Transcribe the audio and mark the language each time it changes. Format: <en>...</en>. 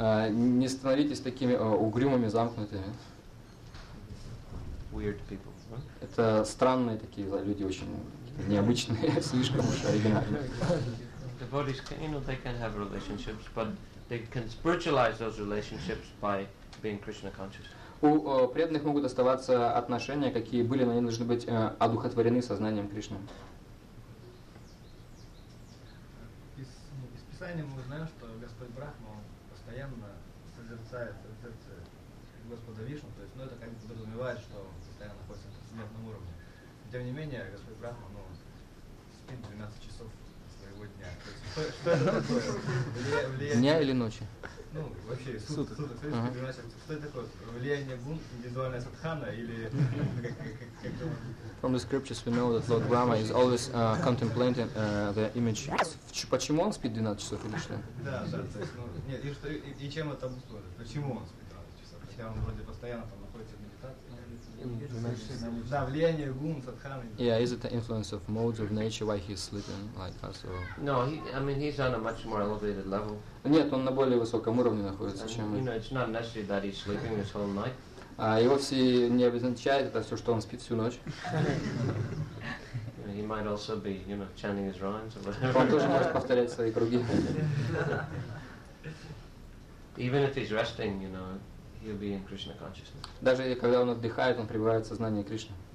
<ru>Не становитесь такими угрюмыми, замкнутыми.</ru> <en>Weird people. Huh?</en> <ru>Это странные такие люди, очень необычные, слишком уж оригинальные.</ru> <en>Devotees, you know, they can have relationships, but they can spiritualize those relationships by being Krishna conscious.</en> <ru>У преданных могут оставаться отношения, какие были, но они должны быть одухотворены сознанием Кришны. Из Писания мы знаем, что Господь Брахма постоянно созерцает Господа Вишну, то есть, ну, это как бы подразумевает, что он постоянно находится на трансцендентном уровне. Тем не менее, Господь Брахма, ну, спит 12 часов своего дня. То есть, что это такое? Дня или ночи? Ну, вообще, суток. Что это такое? Влияние гун, индивидуальная садхана или как-то...</ru> <en>From the scriptures we know that Lord Brahma is always contemplating the image.</en> <ru>Почему он спит 12 часов или что? Да, да, то есть, ну, нет, и чем это обусловлено? Почему он спит 12 часов? Хотя он вроде постоянно там находится в медитации.</ru> <en>Yeah, is it the influence of modes of nature why he's sleeping like us? Or? No, he's on a much more elevated level.</en> <ru>Нет, он на более высоком уровне находится, чем.</ru> <en>You know, it's not necessary that he's sleeping this whole night.</en> <ru>И вовсе не обозначает это все, что он спит всю ночь.</ru> <en>He might also be, you know, chanting his rhymes or whatever.</en> <ru>Он тоже может повторять свои круги.</ru> <en>Even if he's resting, you know, he'll be in Krishna consciousness.</en> <ru>Даже когда он отдыхает, он пребывает в сознании Кришны.</ru>